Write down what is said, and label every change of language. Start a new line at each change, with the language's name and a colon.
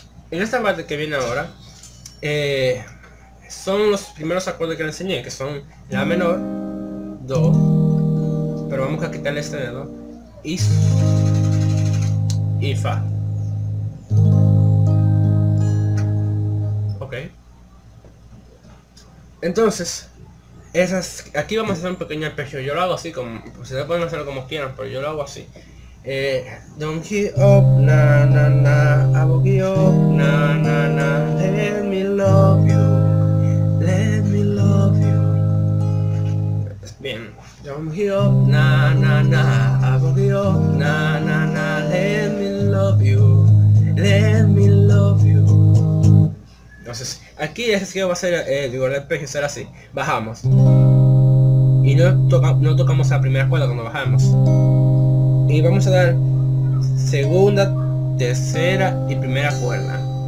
Spanish: En esta parte que viene ahora, son los primeros acordes que le enseñé, que son la menor, do, pero vamos a quitarle este dedo, y fa. Ok. Entonces, esas, aquí vamos a hacer un pequeño arpegio. Yo lo hago así, como ustedes pueden hacerlo como quieran, pero yo lo hago así.
English: Don't give up, na na na, I will give up, na na na, let me love you, let me love you.
Spanish: Bien.
English: Don't give up, na na na, I will give up, na na na, let me love you, let me love you.
Spanish: Entonces, aquí ese sitio va a ser, digo, el arpegio será así. Bajamos. Y no tocamos la primera cuerda cuando bajamos. Y vamos a dar segunda, tercera y primera cuerda.